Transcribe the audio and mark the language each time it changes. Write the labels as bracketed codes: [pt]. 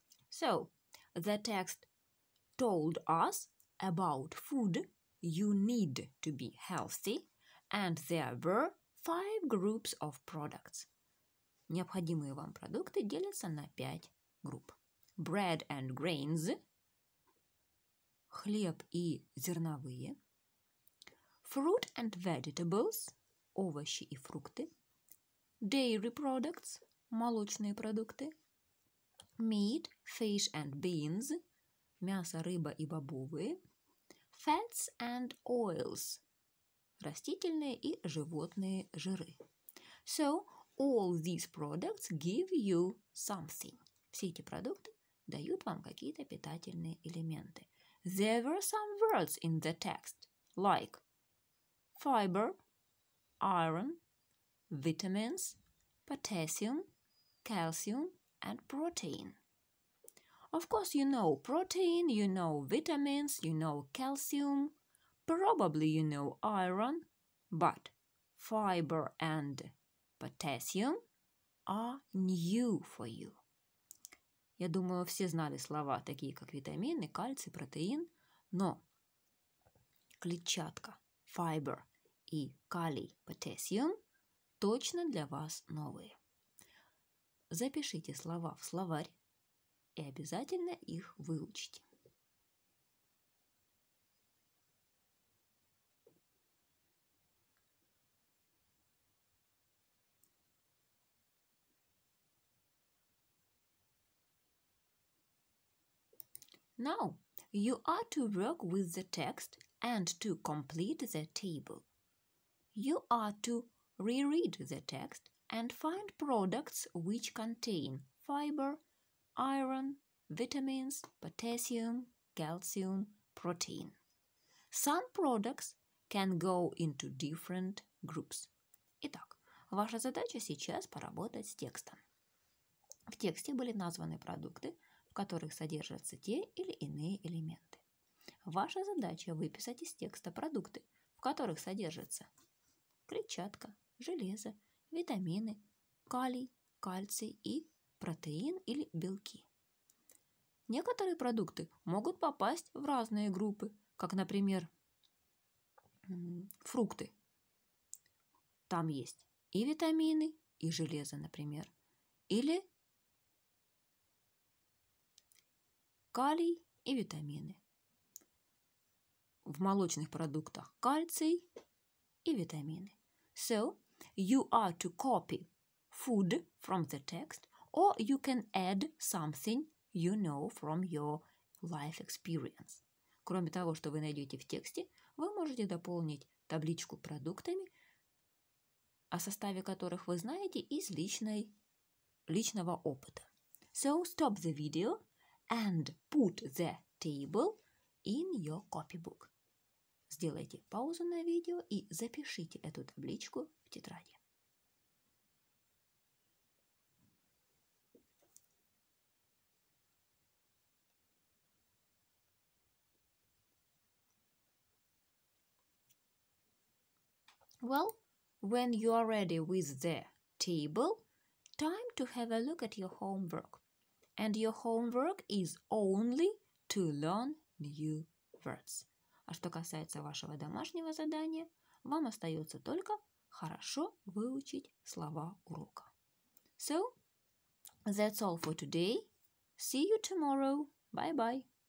[en] So, the text told us about food you need to be healthy, and there were 5 groups of products. [ru] Необходимые вам продукты делятся на 5 групп. [en] Bread and grains, [ru] хлеб и зерновые, [en] fruit and vegetables, [ru] овощи и фрукты, [en] dairy products, [ru] молочные продукты, [en] meat, fish and beans, [ru] мясо, рыба и бобовые, [en] fats and oils, [ru] растительные и животные жиры. [en] So, all these products give you something. [ru] Все эти продукты дают вам какие-то питательные элементы. [en] There were some words in the text, like fiber, iron, vitamins, potassium, calcium, and protein. Of course, you know protein, you know vitamins, you know calcium, probably you know iron, but fiber and potassium are new for you. [ru] Я думаю, все знали слова, такие как витамины, кальций, протеин, но клетчатка, fiber и калий, potassium, точно для вас новые. Запишите слова в словарь и обязательно их выучите. [en] Now, you are to work with the text and to complete the table. You are to reread the text and find products which contain fiber, iron, vitamins, potassium, calcium, protein. Some products can go into different groups. [ru] Итак, ваша задача сейчас поработать с текстом. В тексте были названы продукты, в которых содержатся те или иные элементы. Ваша задача – выписать из текста продукты, в которых содержатся клетчатка, железо, витамины, калий, кальций и протеин или белки. Некоторые продукты могут попасть в разные группы, как, например, фрукты. Там есть и витамины, и железо, например, или калий и витамины. В молочных продуктах кальций и витамины. [en] So, you are to copy food from the text, or you can add something you know from your life experience. [ru] Кроме того, что вы найдете в тексте, вы можете дополнить табличку продуктами, о составе которых вы знаете из личного опыта. [en] So, stop the video and put the table in your copybook. [ru] Сделайте паузу на видео и запишите эту табличку в тетради. [en] Well, when you are ready with the table, time to have a look at your homework. And your homework is only to learn new words. [ru] А что касается вашего домашнего задания, вам остается только хорошо выучить слова урока. [en] So, that's all for today. See you tomorrow. Bye-bye.